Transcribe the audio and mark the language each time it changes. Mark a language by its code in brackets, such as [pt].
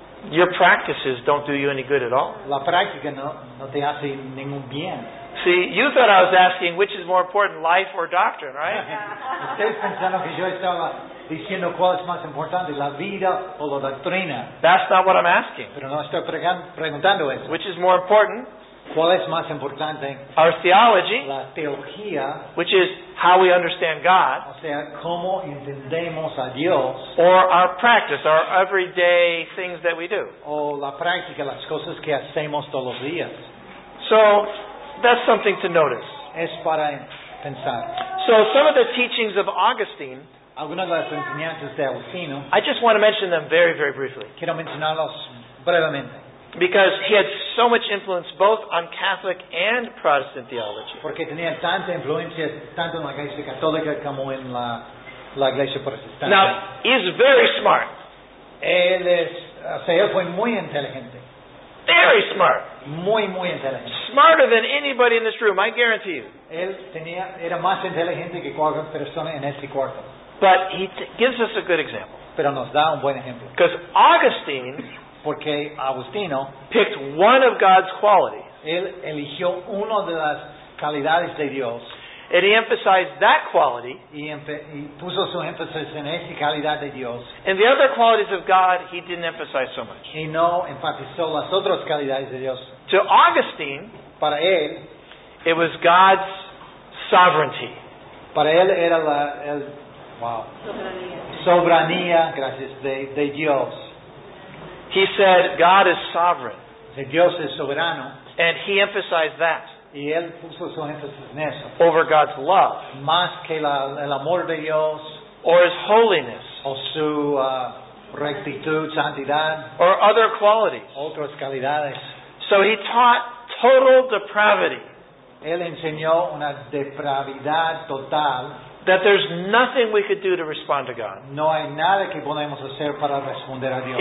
[en] your practices don't do you any good at all. [es] La práctica no te hace ningún bien. [en] See, you thought I was asking which is more important, life or doctrine, right? [es] Ustedes pensaron que yo estaba diciendo cuál es más importante, la vida o la doctrina. [en] That's not what I'm asking. [es] Pero no estoy preguntando eso. [en] Which is more important? [es] ¿Cuál es más importante? [en] Our theology, [es] la teología, [en] which is how we understand God, [es] o sea, cómo entendemos a Dios, [en] or our practice, our everyday things that we do, [es] o la práctica, las cosas que hacemos todos los días. [en] So that's something to notice. [es] Es para pensar. [en] So some of the teachings of Augustine, [es] algunas de las enseñanzas de Agustino, [en] I just want to mention them very, very briefly. [es] Quiero mencionarlos brevemente. [en] Because he had so much influence both on Catholic and Protestant theology. [es] Porque tenía tanta influencia tanto en la Iglesia Católica como en la Iglesia Protestante. [en] Now, he's very smart. [es] Él es, o sea, él fue muy inteligente. [en] Very smart. [es] Muy, muy inteligente. [en] Smarter than anybody in this room, I guarantee you. [es] Él tenía, era más inteligente que cualquier persona en este cuarto. [en] But he gives us a good example. [es] Pero nos da un buen ejemplo. [en] Because Augustine, [es] porque Agustino, [en] picked one of God's qualities. [es] Él eligió una de las cualidades de Dios. [en] And he emphasized that quality. [es] Y puso su énfasis en esa cualidad de Dios. [en] And the other qualities of God, he didn't emphasize so much. [es] Y no enfatizó las otras cualidades de Dios. [en] To Augustine, [es] para él, [en] it was God's sovereignty. [es] Para él era la el, wow. Soberanía, gracias, de Dios. [en] He said, God is sovereign. [es] Dios es soberano. [en] And he emphasized that. [es] Y él puso su énfasis en eso. [en] Over God's love. [es] Más que el amor de Dios. [en] Or his holiness. [es] O su rectitud, santidad. [en] Or other qualities. [es] Otras cualidades. [en] So he taught total depravity. [es] Él enseñó una depravidad total. [en] That there's nothing we could do to respond to God. [es] No hay nada que podemos hacer para responder a Dios.